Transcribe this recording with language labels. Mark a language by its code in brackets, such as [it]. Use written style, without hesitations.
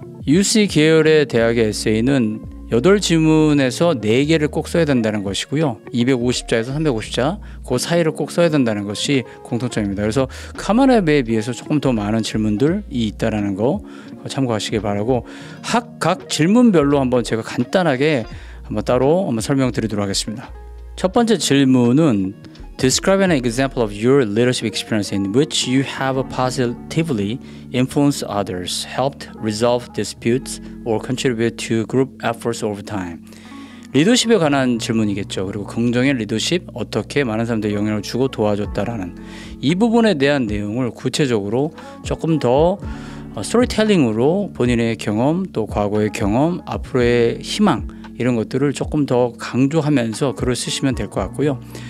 [ko] UC 계열의 대학의 에세이는 8지문에서 4개를 꼭 써야 된다는 것이고요. 250자에서 350자 그 사이를 꼭 써야 된다는 것이 공통점입니다. 그래서 카만앱에 비해서 조금 더 많은 질문들이 있다는 거 참고하시길 바라고, 각 질문별로 한번 제가 간단하게 한번 따로 한번 설명드리도록 하겠습니다. [en] 첫 번째 질문은 Describe an example of your leadership experience in which you have positively influenced others, helped resolve disputes, or contributed to group efforts over time. [ko] 리더십에 관한 질문이겠죠. 그리고 긍정의 리더십, 어떻게 많은 사람들에게 영향을 주고 도와줬다라는 이 부분에 대한 내용을 구체적으로 조금 더 스토리텔링으로 본인의 경험, 또 과거의 경험, 앞으로의 희망 이런 것들을 조금 더 강조하면서 글을 쓰시면 될 것 같고요.